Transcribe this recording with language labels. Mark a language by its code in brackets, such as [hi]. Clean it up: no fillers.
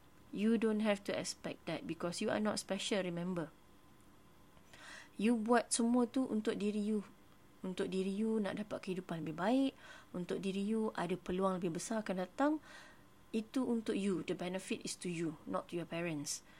[en] You don't have to expect that because you are not special, remember. [ms] You buat semua tu untuk diri you. Untuk diri you nak dapat kehidupan lebih baik. Untuk diri you ada peluang lebih besar akan datang. Itu untuk you. [en] The benefit is to you, not to your parents.